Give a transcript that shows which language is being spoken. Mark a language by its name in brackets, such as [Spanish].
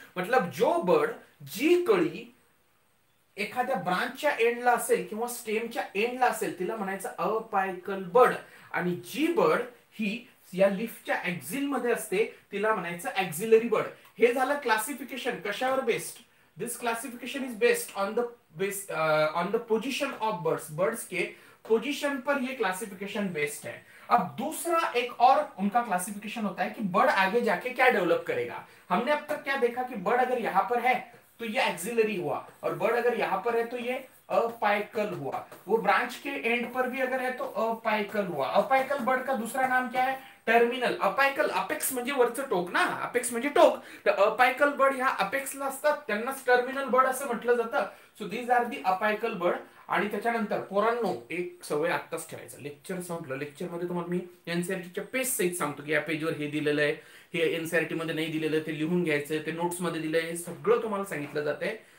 [Marathi] मतलब जो बड जी कळी एखाद्या ब्रांचच्या एंडला असेल किंवा स्टेमच्या एंडला असेल तिला म्हणायचं अपायकल बड, आणि जी बड ही या लिफ्टच्या ऍक्झिल मध्ये असते तिला म्हणायचं ऍक्झिलरी बड. हे झालं क्लासिफिकेशन कशावर based. [English] this classification is based on the based on the position of birds, [Hindi] birds के पोजिशन पर ये क्लासिफिकेशन बेस्ड है. अब दूसरा एक और उनका क्लासिफिकेशन होता है कि बर्ड आगे जाके क्या डेवलप करेगा. हमने अब तक क्या देखा कि बर्ड अगर यहां पर है तो ये एक्सिलरी हुआ, और बर्ड अगर यहां पर है तो ये अपाइकल हुआ, वो ब्रांच के एंड पर भी अगर है तो अपाइकल हुआ. अपाइकल बर्ड का दूसरा नाम क्या है, टर्मिनल. [Marathi] अपाइकल अपेक्स म्हणजे वरचं टोक ना, अपेक्स म्हणजे टोक, तर अपाइकल बर्ड ह्या अपेक्सला असतात त्यांनाच टर्मिनल बर्ड असं म्हटलं जातं. [English] So these are the apical bird. [Marathi] आणि त्याच्यानंतर पोरांनो एक सवय आत्ताच ठेवायचं, लेक्चर संपलं, लेक्चर मध्ये तुम्हाला मी एनसीआरटीच्या पेज सहित सांगतो की या पेजवर हे दिलेलं आहे, हे एनसीआरटी मध्ये नाही दिलेलं ते लिहून घ्यायचं, ते नोट्स मध्ये दिलंय, हे सगळं तुम्हाला सांगितलं जात आहे.